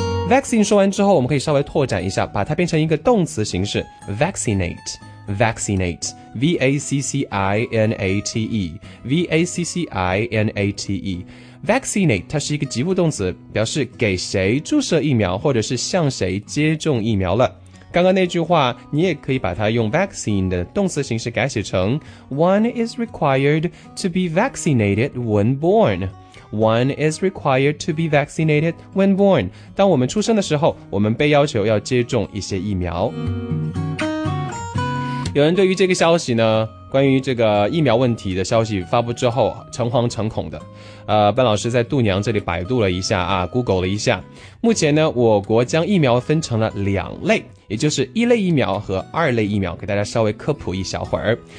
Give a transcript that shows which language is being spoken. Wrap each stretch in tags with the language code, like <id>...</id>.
<zh>Vaccine 说完之后，我们可以稍微拓展一下，把它变成一个动词形式 Vaccinate， Vaccinate V-A-C-C-I-N-A-T-E V-A-C-C-I-N-A-T-E Vaccinate 它是一个及物动词，表示给谁注射疫苗或者是向谁接种疫苗了。刚刚那句话你也可以把它用 vaccine 的动词形式改写成</zh> <en>One is required to be vaccinated when born. One is required to be vaccinated when born.</en> <zh>当我们出生的时候，我们被要求要接种一些疫苗。有人对于这个消息呢，关于这个疫苗问题的消息发布之后，诚惶诚恐的。班老师在度娘这里百度了一下啊 ,Google 了一下。目前呢，我国将疫苗分成了两类，也就是一类疫苗和二类疫苗，给大家稍微科普一小会儿。</zh>